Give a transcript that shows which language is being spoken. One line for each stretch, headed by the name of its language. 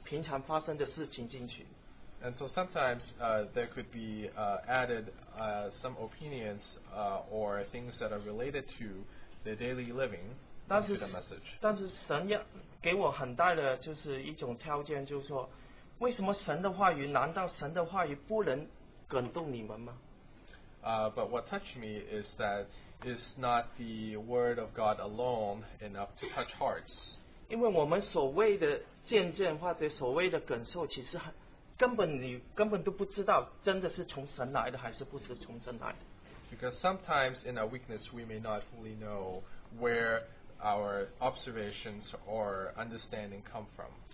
Chinese: 他们就开始分享很多自己，我不是说刚，不是说什么，只是我一种看见，就是他们加了很多自己平常发生的事情进去。And
English: so sometimes there could be added some opinions or things that are related to their daily living.
Chinese: 但是,
English: into the message.
Chinese: 但是神要给我很大的就是一种条件，就是说。为什么神的话语难道神的话语不能感动你们吗?
English: But what touched me is that is not the word of God alone enough to touch hearts.
Chinese: 因为我们所谓的见证或者所谓的感受其实根本都不知道真的是从神来的还是不是从神来的。
English: Because sometimes in our weakness we may not fully know where our observations or understanding come from.